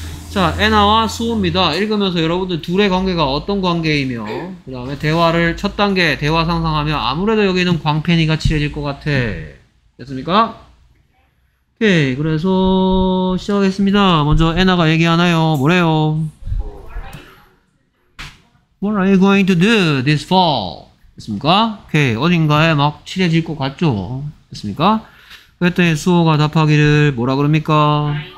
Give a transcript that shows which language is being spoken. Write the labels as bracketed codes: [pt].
[ko] 자, 에나와 수호입니다. 읽으면서 여러분들 둘의 관계가 어떤 관계이며, 그 다음에 대화를 첫 단계 대화 상상하며, 아무래도 여기는 광팬이가 칠해질 것 같아. 됐습니까? 오케이, 그래서 시작하겠습니다. 먼저 에나가 얘기하나요? 뭐래요? [en] What are you going to do this fall? [ko] 됐습니까? 오케이, 어딘가에 막 칠해질 것 같죠? 됐습니까? 그랬더니 수호가 답하기를 뭐라 그럽니까?